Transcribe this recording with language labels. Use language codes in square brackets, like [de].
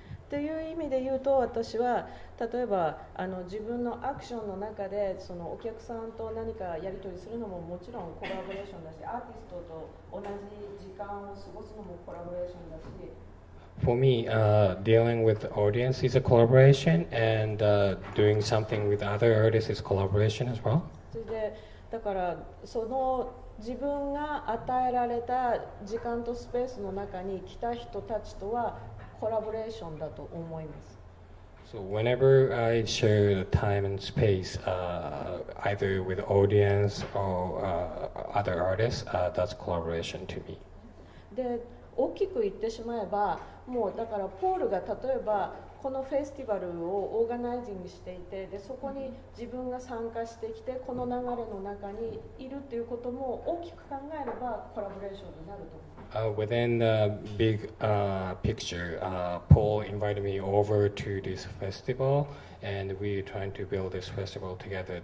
[ja] という意味で言うと私は例えばあの自分のアクションの中でそのお客さんと何かやり取りするのももちろんコラボレーションだしアーティストと同じ時間を過ごすのもコラボレーションだし [en] For me, dealing with the audience is a collaboration and doing something with other artists is collaboration as well. [ja] それでだからその自分が与えられた時間とスペースの中に来た人たちとはコラボレーションだと思います。 [en] So whenever I share the time and space, either with audience or other artists, that's collaboration to me. [ja] で、大きく言ってしまえば、もうだからポールが例えばこのフェスティバルをオーガナイジングしていて、でそこに自分が参加してきてこの流れの中にいるということも大きく考えればコラボレーションになると思います。 [en] Within the big picture, Paul invited me over to this festival, and we're trying to build this festival together.